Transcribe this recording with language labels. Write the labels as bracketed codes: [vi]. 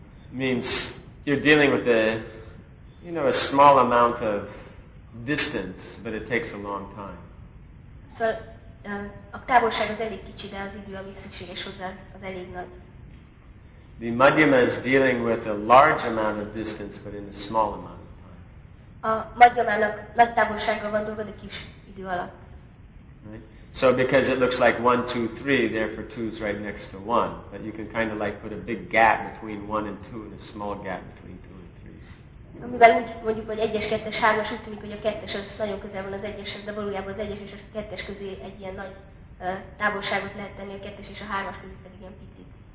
[en] Means you're dealing with a small amount of distance, but it takes a long time. [hu] So, a távolság az elég kicsi, de az idő, ami szükséges hozzá, az elég nagy. [en] The Madhyama is dealing with a large amount of distance, but in a small amount. [hu] A Madhyamának nagy távolsággal van dolga, de kis idő alatt. [en] Right. So because it looks like 1, 2, 3, therefore 2 is right next to 1. But you can kind of like put a big gap between 1 and 2 and a small gap between 2 and 3. [hu] Amivel úgy mondjuk, hogy 1-es, 2-es, 3-as, úgy tűnik, hogy a 2-es az nagyon közel van az 1-eshez, de valójában az 1-es és a 2-es közé egy ilyen nagy távolságot lehet tenni, a 2-es és a 3-as közé pedig ilyen picit.